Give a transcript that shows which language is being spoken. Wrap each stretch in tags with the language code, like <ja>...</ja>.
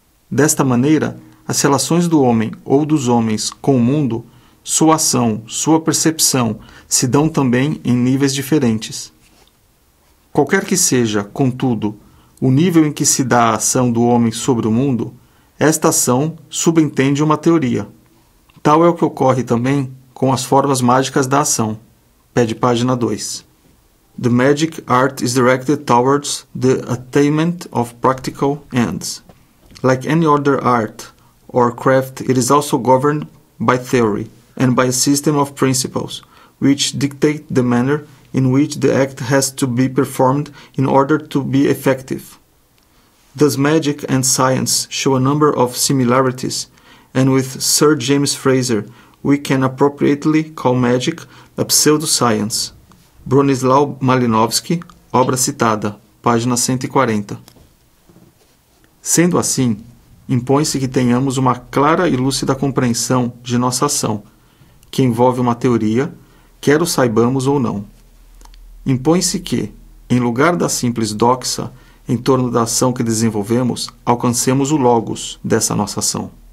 <pt>Desta maneira, as relações do homem ou dos homens com o mundo, sua ação, sua percepção, se dão também em níveis diferentes. Qualquer que seja, contudo, o nível em que se dá a ação do homem sobre o mundo, esta ação subentende uma teoria. Tal é o que ocorre também com as formas mágicas da ação. Pede página 2.</pt> <en>The magic art is directed towards the attainment of practical ends. Like any other art or craft, it is also governed by theory and by a system of principles, which dictate the manner in which the act has to be performed in order to be effective. Thus magic and science show a number of similarities, and with Sir James Fraser we can appropriately call magic a pseudoscience.</en> <pt>Bronislaw Malinowski, obra citada, página 140. Sendo assim, impõe-se que tenhamos uma clara e lúcida compreensão de nossa ação, que envolve uma teoria, quer o saibamos ou não. Impõe-se que, em lugar da simples doxa em torno da ação que desenvolvemos, alcancemos o logos dessa nossa ação.</pt>